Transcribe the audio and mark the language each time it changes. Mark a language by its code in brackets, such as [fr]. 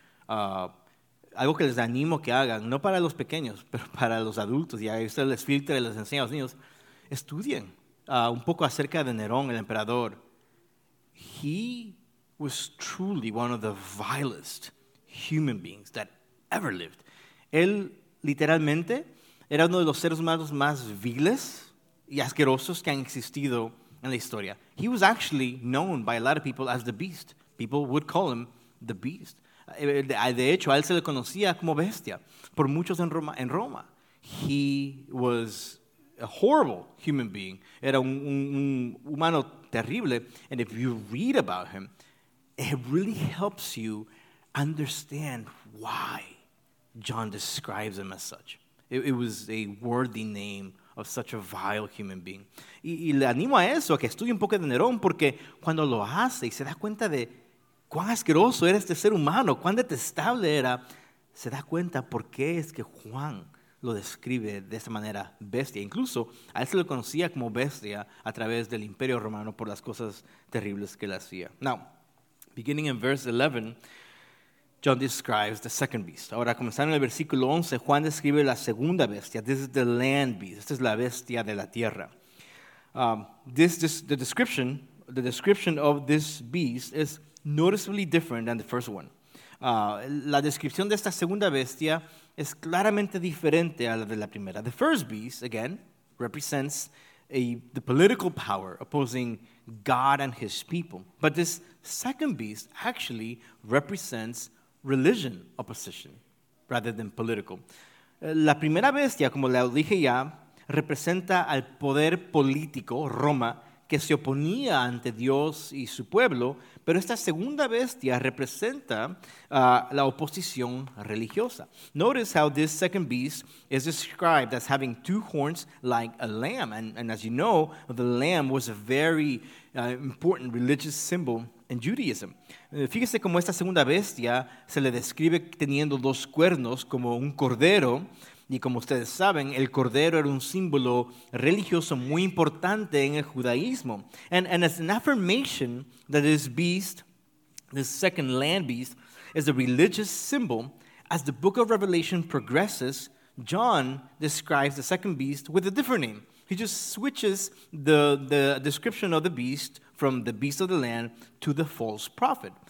[es] Algo que les animo que hagan, no para los pequeños, pero para los adultos. Y ahí ustedes les filtran y les enseñan a los niños. Estudien. Un poco acerca de Nerón, el emperador. [en] He was truly one of the vilest human beings that ever lived. [es] Él, literalmente, era uno de los seres humanos más viles y asquerosos que han existido en la historia. [en] He was actually known by a lot of people as the beast. People would call him the beast. [es] De hecho, a él se le conocía como bestia por muchos en Roma. [en] He was a horrible human being. [es] Era un humano terrible. [en] And if you read about him, it really helps you understand why John describes him as such. It was a worthy name of such a vile human being. [es] Y le animo a eso, a que estudie un poco de Nerón, porque cuando lo hace y se da cuenta de cuán asqueroso era este ser humano, cuán detestable era, se da cuenta por qué es que Juan lo describe de esta manera, bestia. Incluso a él se lo conocía como bestia a través del Imperio Romano por las cosas terribles que él hacía. [en] Now, beginning in verse 11, John describes the second beast. [es] Ahora, comenzando en el versículo 11, Juan describe la segunda bestia. [en] This is the land beast. [es] Esta es la bestia de la tierra. [en] The description of this beast is noticeably different than the first one. [es] La descripción de esta segunda bestia es claramente diferente a la de la primera. [en] The first beast, again, represents the political power opposing God and his people. But this second beast actually represents religion opposition rather than political. [es] La primera bestia, como le dije ya, representa al poder político, Roma, que se oponía ante Dios y su pueblo, pero esta segunda bestia representa la oposición religiosa. [en] Notice how this second beast is described as having two horns like a lamb. And as you know, the lamb was a very important religious symbol in Judaism. [es] Fíjese cómo esta segunda bestia se le describe teniendo dos cuernos como un cordero. Y como ustedes saben, el cordero era un símbolo religioso muy importante en el judaísmo. [en] And it's an affirmation that this beast, this second land beast, is a religious symbol. As the book of Revelation progresses, John describes the second beast with a different name. He just switches the description of the beast from the beast of the land to the false prophet.